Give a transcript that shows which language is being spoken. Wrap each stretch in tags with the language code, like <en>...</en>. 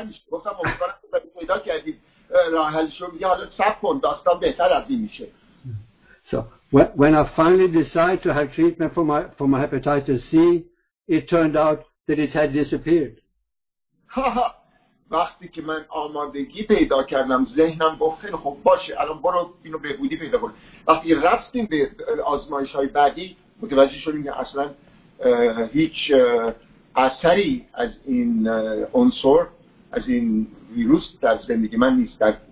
<fa>گفتم امیدوارم که پیدا کردید راه حلش رو. میگه حالا صبر کن، داستان بهتر از این میشه.</fa> <en>So when I finally decided to have treatment for my hepatitis C, it turned out that it had disappeared.</en> <fa>وقتی که من آمادگی پیدا کردم، ذهنم گفت خیلی خوب باشه، الان برو اینو بهبودی پیدا کن. وقتی رفتیم به آزمایش‌های بعدی، متوجه شدیم که اصلاً هیچ اثری از این عنصر، از این ویروس در زندگی من نیست.</fa>